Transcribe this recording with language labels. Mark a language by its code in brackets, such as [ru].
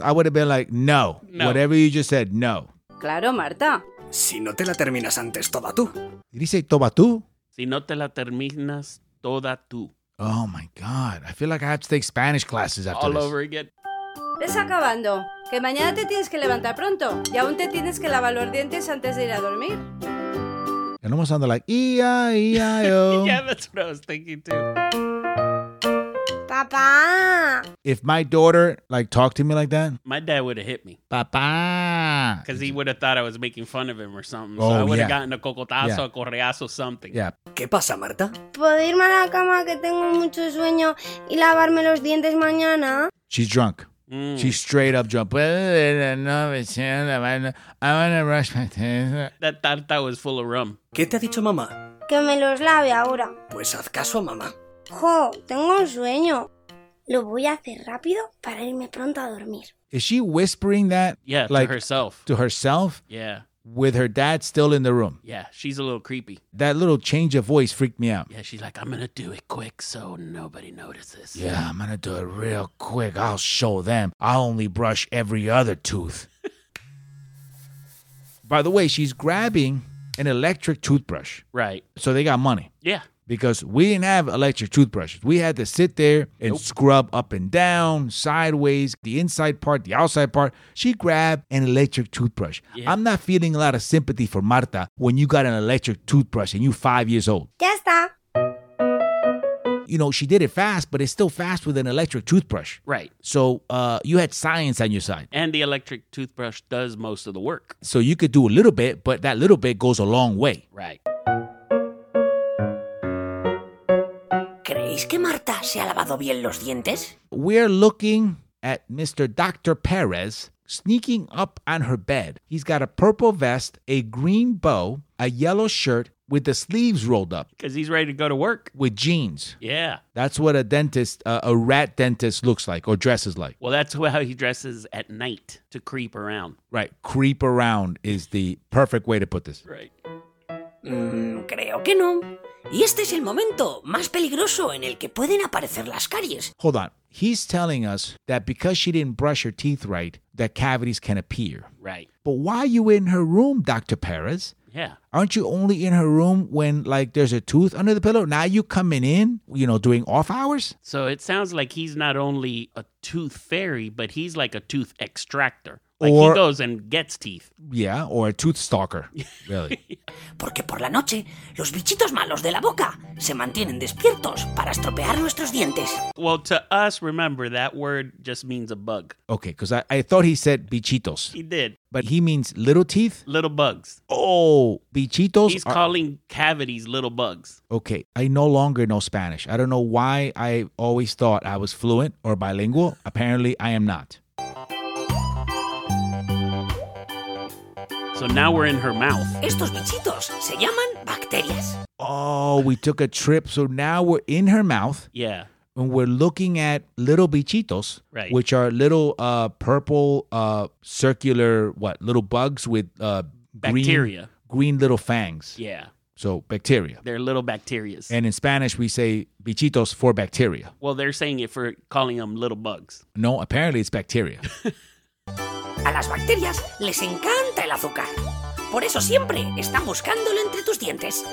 [en] I would have been like, no. Whatever you just said, no. [es] Claro, Marta. Si no te la terminas antes toda tú. [en] Did he say [es] toda tú? Si no te la terminas toda tú. [en] Oh my god. I feel like I have to take Spanish classes after all this. Over again. [es] Ves acabando, que mañana te tienes que levantar pronto y aún te tienes que lavar los dientes antes de ir a dormir. [en] It almost sounded like E-I-E-I-O. Yeah, that's what I was thinking too. [es] Papá. [en] If my daughter, like, talked to me like that, my dad would have hit me. [es] Papá. [en] Because he would have thought I was making fun of him or something. Oh, so I would have gotten a cocotazo, a correazo, something. Yeah. [es] ¿Qué pasa, Marta? ¿Puedo irme a la cama que tengo mucho sueño y lavarme los dientes mañana? [en] She's drunk. She's straight up drunk. I want to brush my teeth. That tarta was full of rum. [es] ¿Qué te ha dicho mamá? Que me los lave ahora. Pues haz caso a mamá. Jo, tengo un sueño. Lo voy a hacer rápido para irme pronto a dormir. [en] Is she whispering that? Yeah, like, to herself. To herself? Yeah. With her dad still in the room. Yeah, she's a little creepy. That little change of voice freaked me out. Yeah, she's like, I'm going to do it quick so nobody notices. Yeah, I'm going to do it real quick. I'll show them. I'll only brush every other tooth. By the way, she's grabbing an electric toothbrush. Right. So they got money. Yeah. Because we didn't have electric toothbrushes. We had to sit there and scrub up and down, sideways, the inside part, the outside part. She grabbed an electric toothbrush. Yeah. I'm not feeling a lot of sympathy for Marta when you got an electric toothbrush and you're 5 years old. [es] Ya está. [en] You know, she did it fast, but it's still fast with an electric toothbrush. Right. So you had science on your side. And the electric toothbrush does most of the work. So you could do a little bit, but that little bit goes a long way. Right. [es] ¿Creéis que Marta se ha lavado bien los dientes? [en] We're looking at Mr. Dr. Perez sneaking up on her bed. He's got a purple vest, a green bow, a yellow shirt, with the sleeves rolled up. Because he's ready to go to work. With jeans. Yeah. That's what a dentist, a rat dentist looks like or dresses like. Well, that's how he dresses at night to creep around. Right. Creep around is the perfect way to put this. Right. [es] Creo que no. Y este es el momento más peligroso en el que pueden aparecer las caries. [en] Hold on. He's telling us that because she didn't brush her teeth right, that cavities can appear. Right. But why are you in her room, Dr. Perez? Yeah. Aren't you only in her room when, like, there's a tooth under the pillow? Now you coming in, you know, doing off hours? So it sounds like he's not only a tooth fairy, but he's like a tooth extractor. Like, or, he goes and gets teeth. Yeah, or a tooth stalker, really. [es] Porque por la noche, los bichitos malos de la boca se mantienen despiertos para estropear nuestros dientes. [en] Well, to us, remember, that word just means a bug. Okay, because I thought he said bichitos. He did. But he means little teeth? Little bugs. Oh, bichitos? He's calling cavities little bugs. Okay, I no longer know Spanish. I don't know why I always thought I was fluent or bilingual. Apparently, I am not. So now we're in her mouth. [es] Estos bichitos se llaman bacterias. [en] Oh, we took a trip. So now we're in her mouth. Yeah. And we're looking at little bichitos, right, which are little purple circular, little bugs with bacteria. Green little fangs. Yeah. So bacteria. They're little bacterias. And in Spanish, we say bichitos for bacteria. Well, they're saying it for calling them little bugs. No, apparently it's bacteria. [es] A las bacterias les encanta el azúcar. Por eso siempre están buscándolo entre tus dientes.